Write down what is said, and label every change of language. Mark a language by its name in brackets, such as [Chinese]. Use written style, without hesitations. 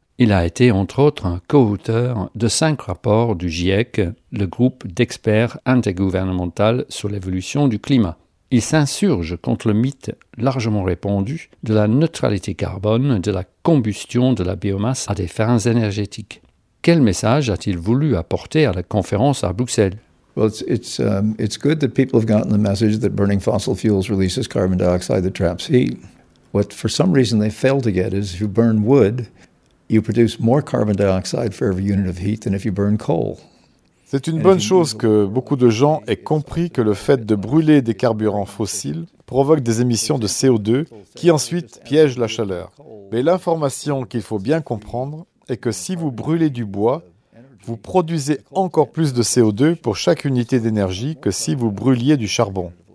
[French] Il a été, entre autres, un co-auteur de 5 rapports du GIEC, le groupe d'experts intergouvernemental sur l'évolution du climat. Il s'insurge contre le mythe largement répandu de la neutralité carbone de la combustion de la biomasse à des fins énergétiques. Quel message a-t-il voulu apporter à la conférence à Bruxelles ? [English] Well, it's good that people have gotten the message that burning fossil fuels releases carbon dioxide that traps heat. What for some reason they fail to get is if you burn wood, you produce more carbon dioxide for every unit of heat than if you burn coal. [French] C'est une bonne chose que beaucoup de gens aient compris que le fait de brûler des carburants fossiles provoque des émissions de CO2 qui ensuite piègent la chaleur. Mais l'information qu'il faut bien comprendre est que si vous brûlez du bois, vous produisez encore plus de CO2 pour chaque unité d'énergie que si vous brûliez du charbon.